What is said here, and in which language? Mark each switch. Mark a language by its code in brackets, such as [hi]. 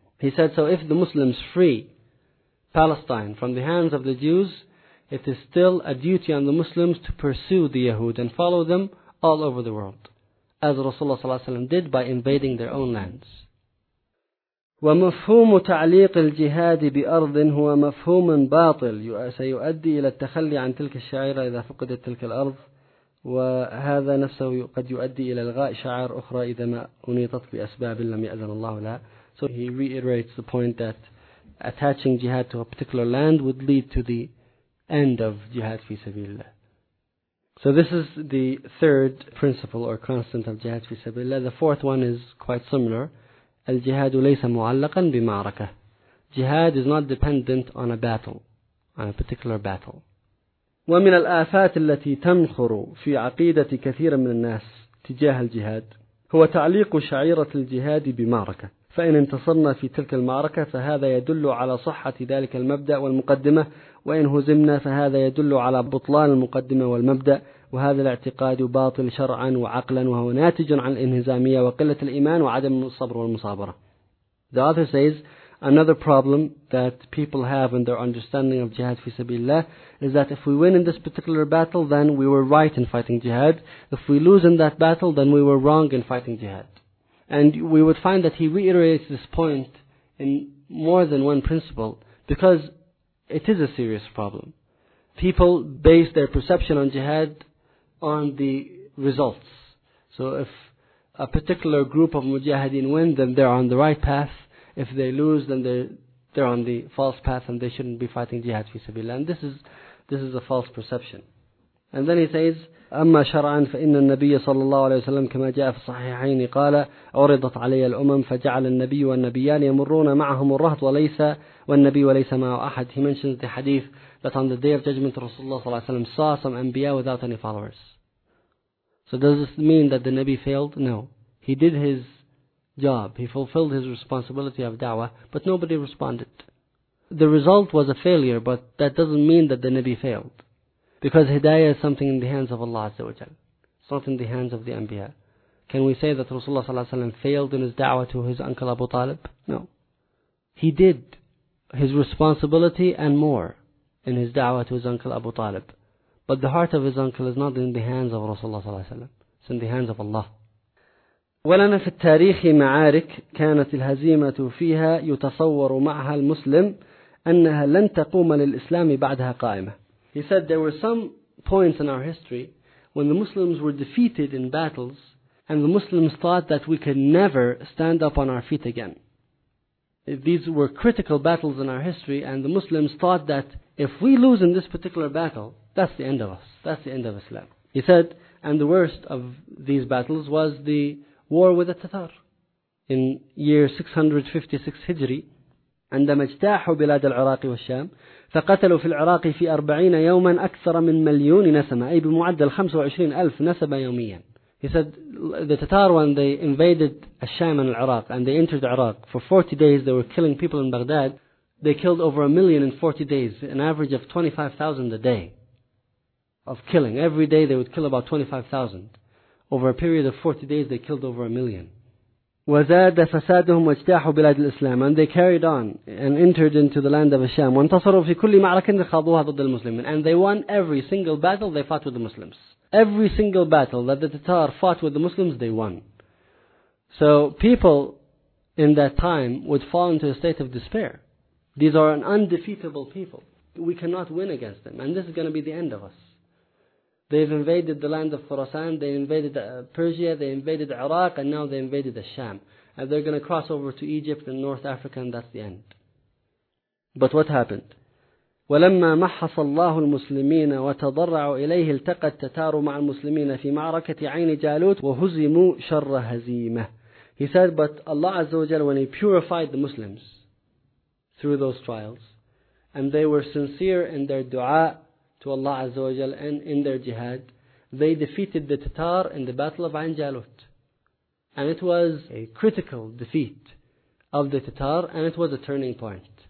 [en] He said, so if the Muslims free Palestine from the hands of the Jews, it is still a duty on the Muslims to pursue the Yahud and follow them all over the world, as Rasulullah [ar] صلى الله عليه وسلم [en] did by invading their own lands. [ar] ومفهوم تعليق الجهاد بأرض هو مفهوم باطل سيؤدي إلى التخلي عن تلك الشعيرة إذا فقدت تلك الأرض، وهذا نفسه قد يؤدي إلى إلغاء شعائر أخرى إذا ما أنيطت بأسباب لم يأذن الله لها. [en] So he reiterates the point that attaching jihad to a particular land would lead to the end of jihad fi sabilillah. So this is the third principle or constant of jihad fi sabilillah. The fourth one is quite similar. [ar] الجهاد ليس معلقا بمعركة. [en] Jihad is not dependent on a battle, on a particular battle. [ar] ومن الآفات التي تنخر في عقيدة كثير من الناس تجاه الجهاد هو تعليق شعيرة الجهاد بمعركة. فإن انتصرنا في تلك المعركة فهذا يدل على صحة ذلك المبدأ والمقدمة، وإن هزمنا فهذا يدل على بطلان المقدمة والمبدأ، وهذا الاعتقاد باطل شرعا وعقلا وهو ناتج عن الانهزامية وقلة الإيمان وعدم الصبر والمصابرة. [en] The author says, another problem that people have in their understanding of jihad fi sabilillah is that if we win in this particular battle, then we were right in fighting jihad. If we lose in that battle, then we were wrong in fighting jihad. And we would find that he reiterates this point in more than one principle because it is a serious problem. People base their perception on jihad on the results. So if a particular group of mujahideen win, then they're on the right path. If they lose, then they're on the false path and they shouldn't be fighting jihad fi sabilillah. And this is a false perception. And then he says, [ar] أما شرعا فإن النبي صلى الله عليه وسلم كما جاء في الصحيحين قال عرضت علي الأمم فجعل النبي والنبيان يمرون معهم الرهط وليس والنبي وليس معه أحد. [en] He mentions the hadith that on the day of judgment Rasulullah [ar] صلى الله عليه وسلم [en] saw some anbiya without any followers. So does this mean that the Nabi failed? No. He did his job. He fulfilled his responsibility of da'wah, but nobody responded. The result was a failure, but that doesn't mean that the Nabi failed. Because hidayah is something in the hands of Allah Azza wa Jal. It's not in the hands of the anbiya. Can we say that Rasulullah [ar] صلى الله عليه وسلم [en] failed in his da'wah to his uncle Abu Talib? No. He did his responsibility and more in his da'wah to his uncle Abu Talib. But the heart of his uncle is not in the hands of Rasulullah [ar] صلى الله عليه وسلم. [en] It's in the hands of Allah. [ar] ولنا في التاريخ معارك كانت الهزيمة فيها يتصور معها المسلم أنها لن تقوم للإسلام بعدها قائمة. [en] He said there were some points in our history when the Muslims were defeated in battles and the Muslims thought that we could never stand up on our feet again. these were critical battles in our history, and the Muslims thought that if we lose in this particular battle, that's the end of us. That's the end of Islam. He said, and the worst of these battles was the war with the Tatar in year 656 Hijri. [ar] عندما اجتاحوا بلاد العراق والشام فقتلوا في العراق في 40 يوما أكثر من مليون نسمة أي بمعدل 25 ألف نسمة يوميا. [en] He said the Tatar, when they invaded al-Sham and al-Iraq and they entered Iraq, for 40 days they were killing people in Baghdad. They killed over a million in 40 days, an average of 25,000 a day of killing. Every day they would kill about 25,000. Over a period of 40 days they killed over a million. [ar] وزاد فسادهم واجتاحوا بلاد الإسلام. [en] And they carried on and entered into the land of al-Sham. [ar] وانتصروا في كل معركة خاضوها ضد المسلمين. [en] And they won every single battle they fought with the Muslims. Every single battle that the Tatar fought with the Muslims, they won. So people in that time would fall into a state of despair. These are an undefeatable people. We cannot win against them. And this is going to be the end of us. They've invaded the land of Khorasan, they invaded Persia, they invaded Iraq, and now they invaded al-Sham. And they're going to cross over to Egypt and North Africa, and that's the end. But what happened? [ar] ولما محص الله المسلمين وتضرعوا إليه التقى التتار مع المسلمين في معركة عين جالوت وهزموا شر هزيمة. [en] He said, but Allah Azza wa Jalla, when He purified the Muslims through those trials, and they were sincere in their dua to Allah Azza wa Jalla and in their jihad, they defeated the Tatar in the battle of Ain Jalut, and it was a critical defeat of the Tatar, and it was a turning point.